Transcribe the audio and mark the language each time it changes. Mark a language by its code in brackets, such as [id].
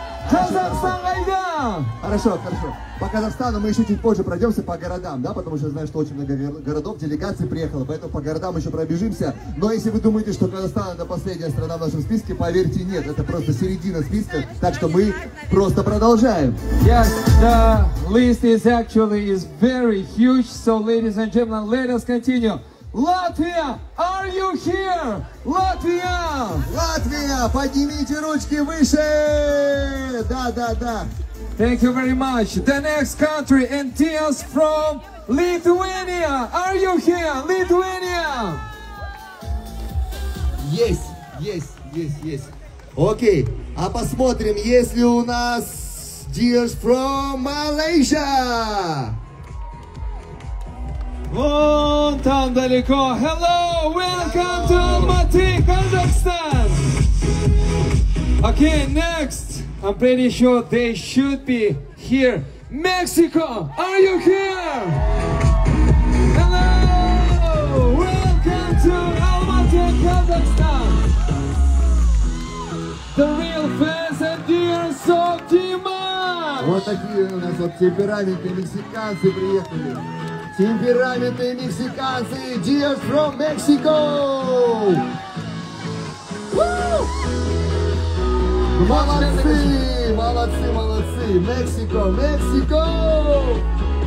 [ru] Казахстан, айда! Хорошо. По Казахстану мы еще чуть позже пройдемся, по городам, да? Потому что я знаю, что очень много городов, делегаций приехало, поэтому по городам еще пробежимся. Но если вы думаете, что Казахстан это последняя страна в нашем списке, поверьте, нет, это просто середина списка, так что мы просто продолжаем. [en] Yes, the list is actually is very huge, so ladies and gentlemen, let us continue. Латвия, are you here? [ru] Латвия, поднимите ручки выше! Да. [en] Thank you very much. The next country and tears from Lithuania. Are you here, Lithuania? Yes. [ru] Окей, а посмотрим, есть ли у нас [en] tears from Malaysia. [ru] Вон там далеко. [en] Hello, welcome to Almaty, Kazakhstan. Okay, next. I'm pretty sure they should be here. Mexico, are you here? Hello, welcome to Almaty, Kazakhstan. The real fans and dears of Dimash. [ru] Вот такие у нас вот темпераменты мексиканцы приехали. Темпераменты мексиканцы, [en] dears from Mexico! [ru] Молодцы! Мексико!